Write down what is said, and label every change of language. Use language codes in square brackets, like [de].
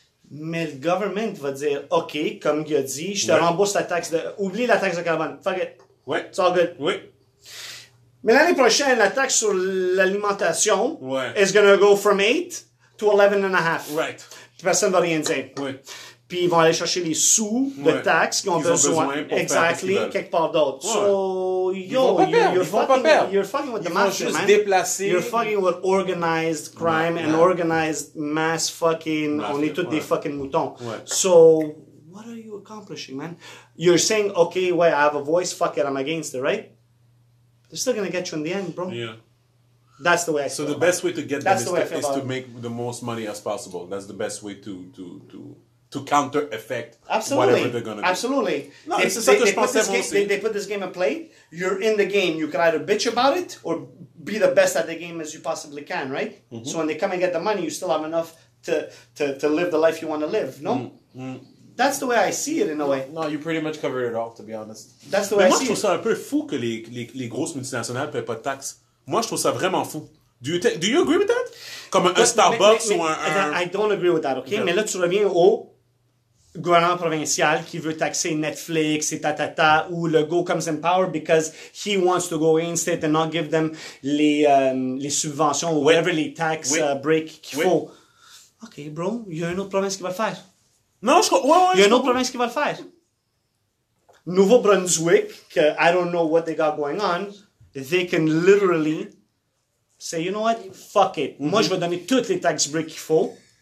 [fr] Mais le government va dire, OK, comme il a dit, je te rembourse la taxe de... Oublie la taxe de carbone. [en] Fuck it. [fr] Ouais. [en] It's all good. [fr] Oui. Mais l'année prochaine, la taxe sur l'alimentation [en] is going to go from 8 to 11.5. Right. [fr] Puis personne ne va rien dire. Oui. Puis ils vont aller chercher les sous de taxes qu'ils ont besoin. [en] Exactly. [fr] Quelque part d'autre. [en] Ouais. So, yo, you're fucking with the masses, man. You're fucking with organized crime and organized mass fucking. [fr] On est tous des fucking moutons. Ouais. [en] So, what are you accomplishing, man? You're saying, okay, well, I have a voice, fuck it, I'm against it, right? They're still gonna get you in the end, bro. Yeah, that's the way I feel. So the best way to get them is to make the most money as possible. That's the best way to counter effect whatever they're gonna do. Absolutely. They put this game in play. You're in the game. You can either bitch about it or be the best at the game as you possibly can, right? Mm-hmm. So when they come and get the money, you still have enough to live the life you want to live. No. Mm-hmm. That's the way I see it, in a way. No, you pretty much covered it all, to be honest. That's the way I see it. [fr] Moi, je trouve ça un peu fou que les grosses multinationales ne paient pas de taxes. Moi, je trouve ça vraiment fou. [en] Do you agree with that? [fr] Comme un Starbucks ou un... [en] I don't agree with that, OK? Yeah. [fr] Mais là, tu reviens au gouvernement provincial qui veut taxer Netflix et ta-ta-ta, où le go [en] comes in power because he wants to go in state and not give them [fr] les subventions ou whatever les taxes break qu'il faut. OK, bro, il y a une autre province qui va le faire. Il y a une autre province qui va le faire. [en] Nouveau-Brunswick, que I don't know what they got going on, they can literally say, you know what, fuck it. Mm-hmm. [fr] Moi, je vais donner toutes les tax breaks qu'il faut.